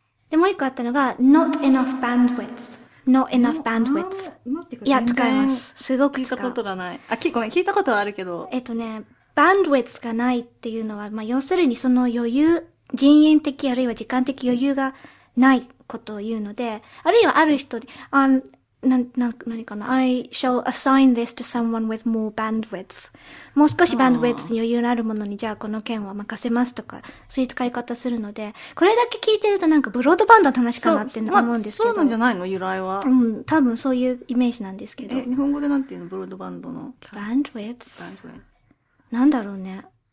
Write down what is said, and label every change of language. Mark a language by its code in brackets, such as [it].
[ja] で、もう一個あったのが、not enough bandwidth。Not enough bandwidth. いや、使います。すごく使う。聞いたことがない。あ、ごめん、聞いたことはあるけど。 bandwidth がないっていうのは、まあ、要するにその余裕、人員的あるいは時間的余裕がないことを言うので、あるいはある人に、何かな。 [en] I shall assign this to someone with more bandwidth. [ja] もう少し bandwidth に余裕のあるものに、じゃあこの件は任せますとか、そういう使い方するので、これだけ聞いてるとなんかブロードバンドの話かなって思うんですけど。そう、そうなんじゃないの？由来は。うん、多分そういうイメージなんですけど。日本語でなんていうの？ブロードバンドの。 bandwidth? なんだろうね。